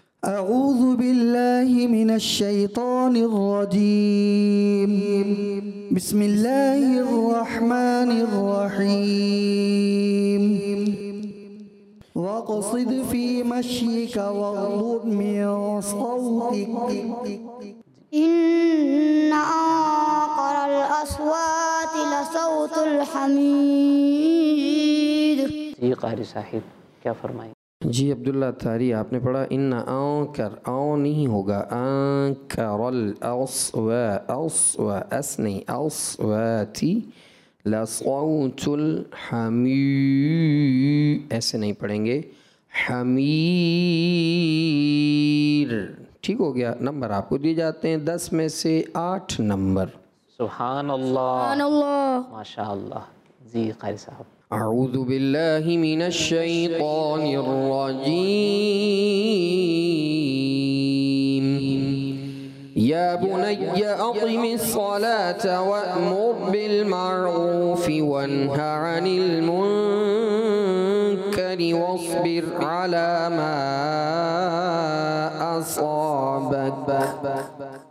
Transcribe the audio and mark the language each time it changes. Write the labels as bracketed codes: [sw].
[ar] أعوذ بالله من الشيطان الرجيم بسم الله الرحمن الرحيم واقصد في مشيك واغضض من صوتك إن أقر الأصوات لصوت الحميد. [ur] جی قاری صاحب کیا فرمائیں. جی عبداللہ تاری آپ نے پڑھا ان آنکر او نہیں ہوگا [ar] آنکر الاصوات اسنی اصواتی لصوت الحمیر [ur] ایسے نہیں پڑھیں گے حمیر. ٹھیک ہو گیا نمبر آپ کو دیے جاتے ہیں 10 میں سے 8 نمبر. سبحان اللہ سبحان اللہ ماشاء اللہ. جی قاری صاحب. [ar] أعوذ بالله من الشيطان الرجيم يا بني أقم الصلاة وأمر بالمعروف وانه عن المنكر واصبر على ما أصابك